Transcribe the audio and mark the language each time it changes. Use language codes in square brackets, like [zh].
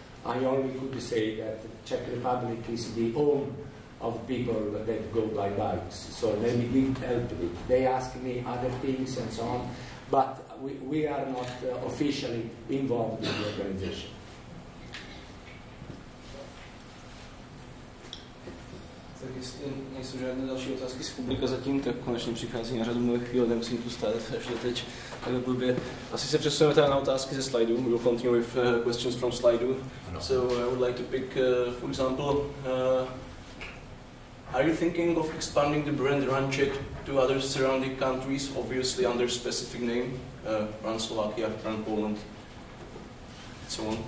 [en] I only could say that Czech Republic is the home of people that go by bikes. So maybe we help it. They asked me other things and so on, but we are not officially involved in the organization. [cs] Tak jestli nejsou žádné další otázky z publika zatím, tak konečně přichází na řadu mojich chvíle, nemusím tu stát až do teď. Takhle blbě. Asi se přesuneme teda na otázky ze slajdu. [en] We will continue with questions from slajdu. So I would like to pick, for example, are you thinking of expanding the brand RunCzech to other surrounding countries, obviously under specific name, Run Slovakia, Run Poland, and so on?